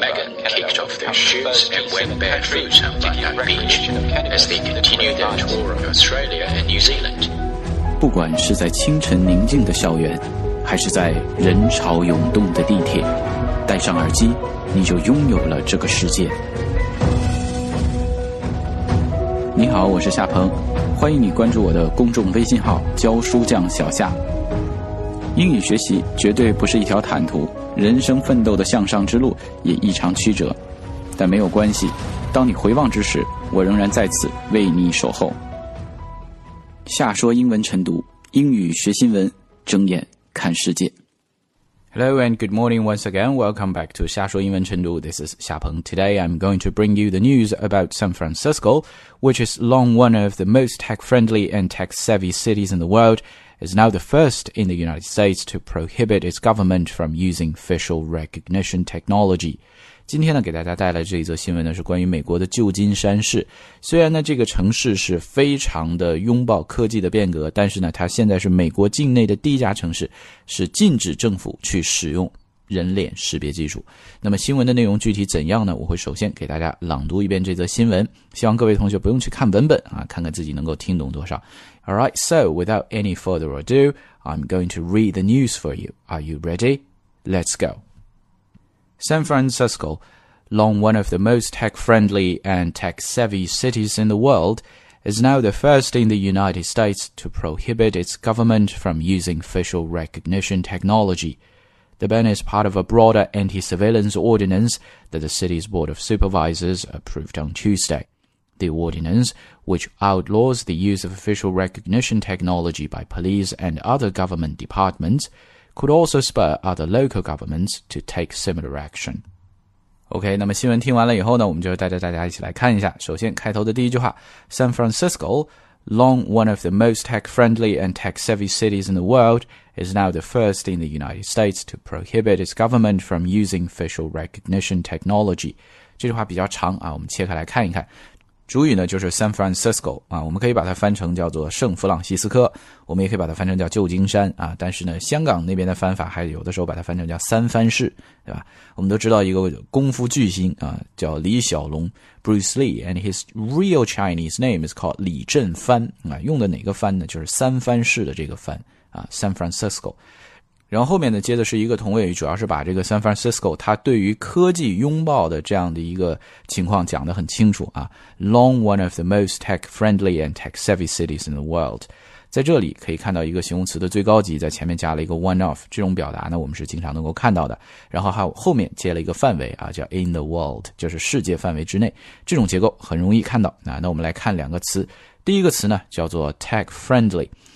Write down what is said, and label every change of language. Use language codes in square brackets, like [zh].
[en] Megan kicked off their shoes and went barefoot on Bondi Beach as they continued their tour of Australia and New Zealand. [zh] 不管是在清晨宁静的校园，还是在人潮涌动的地铁，戴上耳机，你就拥有了这个世界。你好，我是夏鹏，欢迎你关注我的公众微信号教书匠小夏。英语学习绝对不是一条坦途，人生奋斗的向上之路也异常曲折，但没有关系，当你回望之时，我仍然在此为你守候。夏说英文晨读，英语学新闻，睁眼看世界。 [en] Hello and good morning once again. Welcome back to 夏说英文晨读.This is 夏鹏. Today I'm going to bring you the news about San Francisco, which is long one of the most tech-friendly and tech-savvy cities in the world, is now the first in the United States to prohibit its government from using facial recognition technology. [zh] 今天呢，给大家带来这一则新闻呢，是关于美国的旧金山市。虽然呢，这个城市是非常的拥抱科技的变革，但是呢，它现在是美国境内的第一家城市，是禁止政府去使用人脸识别技术。那么新闻的内容具体怎样呢？我会首先给大家朗读一遍这则新闻，希望各位同学不用去看文本啊，看看自己能够听懂多少。 [en] Alright, so without any further ado, I'm going to read the news for you. Are you ready? Let's go. San Francisco, long one of the most tech-friendly and tech-savvy cities in the world, is now the first in the United States to prohibit its government from using facial recognition technology. The ban is part of a broader anti-surveillance ordinance that the city's Board of Supervisors approved on Tuesday. The ordinance, which outlaws the use of facial recognition technology by police and other government departments,could also spur other local governments to take similar action. [zh] OK, 那么新闻听完了以后呢，我们就带着大家一起来看一下。首先开头的第一句话， [en] San Francisco, long one of the most tech-friendly and tech-savvy cities in the world, is now the first in the United States to prohibit its government from using facial recognition technology. [zh] 这句话比较长啊，我们切开来看一看。主语呢就是 San Francisco 啊，我们可以把它翻成叫做圣弗朗西斯科，我们也可以把它翻成叫旧金山啊。但是呢，香港那边的翻法还有的时候把它翻成叫三藩市，对吧？我们都知道一个功夫巨星啊，叫李小龙 Bruce Lee, [en] and his real Chinese name is called [zh] 李振藩啊。用的哪个藩呢？就是三藩市的这个藩啊 ，San Francisco。然后后面呢，接的是一个同位语，主要是把这个 San Francisco 它对于科技拥抱的这样的一个情况讲得很清楚啊。 [en] Long one of the most tech-friendly and tech-savvy cities in the world. [zh] 在这里可以看到一个形容词的最高级，在前面加了一个 one of, 这种表达呢，我们是经常能够看到的。然后还有后面接了一个范围啊，叫 [en] in the world, [zh] 就是世界范围之内。这种结构很容易看到。那我们来看两个词。第一个词呢，叫做 tech-friendly。